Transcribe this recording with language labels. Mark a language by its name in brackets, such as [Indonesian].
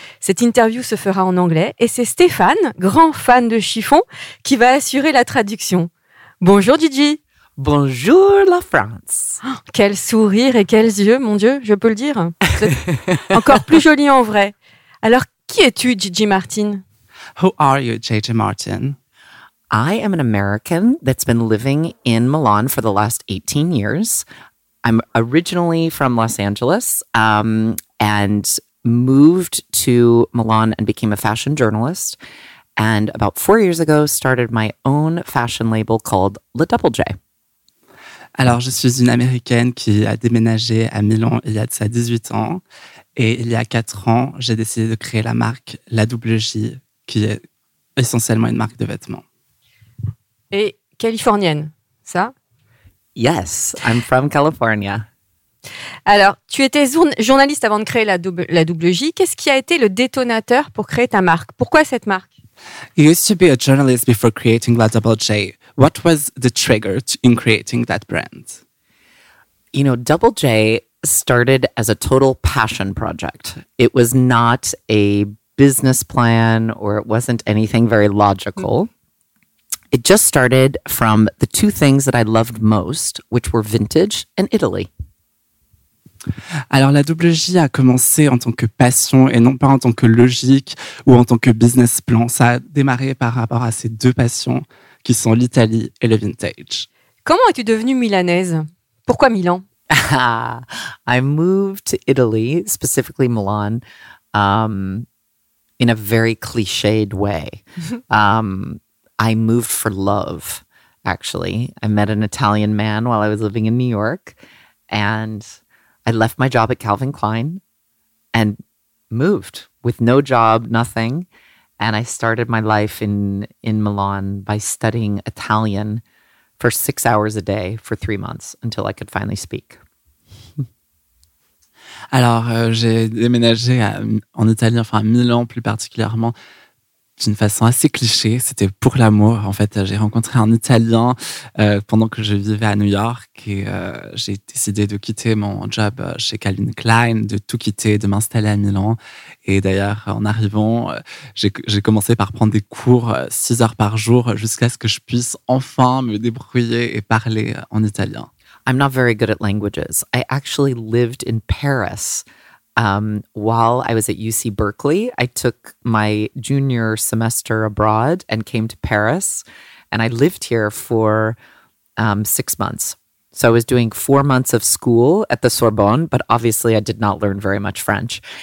[French] Cette interview se fera en anglais et c'est Stéphane, grand fan de Chiffon, qui va assurer la traduction. Bonjour Gigi. Bonjour la France. Oh, quel sourire et quels yeux, mon Dieu, je peux le dire. C'est encore plus joli en vrai. Alors, qui es-tu, Gigi Martin? [English] Who are you, Gigi Martin? I am an American that's been living in Milan for the last 18 years. I'm originally from Los Angeles and moved to Milan and became a fashion journalist. And about 4 years ago, started my own fashion label called La Double J. [French] Alors, je suis une Américaine qui a déménagé à Milan il y a de ça 18 ans. Et il y a 4 ans, j'ai décidé de créer la marque La Double J, qui est essentiellement une marque de vêtements. Et californienne, ça? [English] Yes, I'm from California. [French] Alors, tu étais journaliste avant de créer la Double J. Qu'est-ce qui a été le détonateur pour créer ta marque? Pourquoi cette marque? [English] You used to be a journalist before creating La Double J. What was the trigger in creating that brand? You know, Double J started as a total passion project. It was not a business plan or it wasn't anything very logical. It just started from the two things that I loved most, which were vintage and Italy. [French] Alors, la Double J a commencé en tant que passion et non pas en tant que logique ou en tant que business plan. Ça a démarré par rapport à ces deux passions qui sont l'Italie et le vintage. Comment es-tu devenue milanaise? Pourquoi Milan? [English] I moved to Italy, specifically Milan, in a very cliched way. I moved for love, actually. I met an Italian man while I was living in New York and I left my job at Calvin Klein and moved with no job, nothing. And I started my life in Milan by studying Italian for 6 hours a day for 3 months until I could finally speak. [French] Alors, j'ai déménagé en Italie, enfin à Milan plus particulièrement, d'une façon assez cliché. C'était pour l'amour. En fait, j'ai rencontré un Italien pendant que je vivais à New York et j'ai décidé de quitter mon job chez Calvin Klein, de tout quitter, de m'installer à Milan. Et d'ailleurs, en arrivant, j'ai commencé par prendre des cours 6 heures par jour jusqu'à ce que je puisse enfin me débrouiller et parler en italien. [English] I'm not very good at languages. I actually lived in Paris while I was at UC Berkeley. I took my junior semester abroad and came to Paris. And I lived here for 6 months. So I was doing 4 months of school at the Sorbonne, but obviously I did not learn very much French.